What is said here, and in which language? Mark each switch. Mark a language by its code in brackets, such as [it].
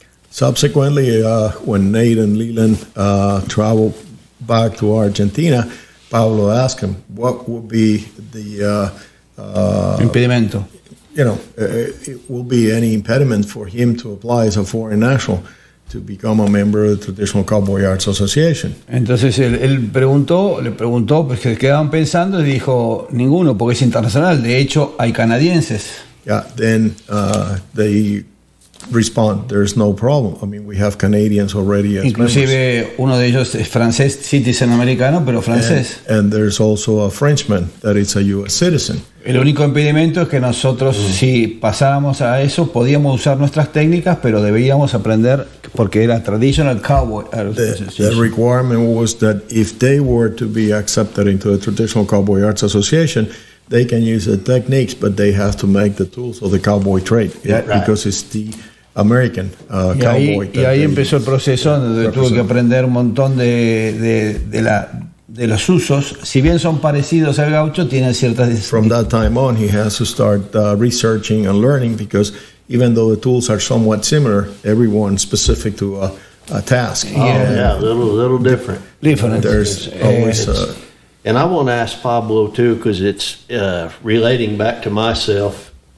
[en] Subsequently, when Nate and Leland traveled back to Argentina, Pablo asked him, what would be the... [es] impedimento. [en] You know, it will be any impediment for him to apply as a foreign national to become a member of the Traditional Cowboy Arts Association. [es] Entonces él preguntó, le preguntó, porque se quedaban pensando, y dijo, ninguno, porque es internacional. De hecho, hay canadienses. [en] Yeah, then they... respond, there's no problem. I mean, we have Canadians already as [es] inclusive [en] members. [es] Uno de ellos es francés, citizen americano, pero francés. [en] And there's also a Frenchman that is a U.S. citizen. [es] El único impedimento es que nosotros, si pasábamos a eso, podíamos usar nuestras técnicas, pero debíamos aprender, porque era [en] traditional cowboy. The requirement was that if they were to be accepted into the Traditional Cowboy Arts Association, they can use the techniques, but they have to make the tools of the cowboy trade, because it's the American cowboy. [es] Y ahí empezó el proceso donde tuve que aprender un montón de los usos. Si bien son parecidos al gaucho, tienen ciertas... [en] From that time on, he has to start researching and learning, because even though the tools are somewhat similar, everyone's specific to a task. A little different. Different. There's always... And I want to ask Pablo, too, because it's relating back to myself.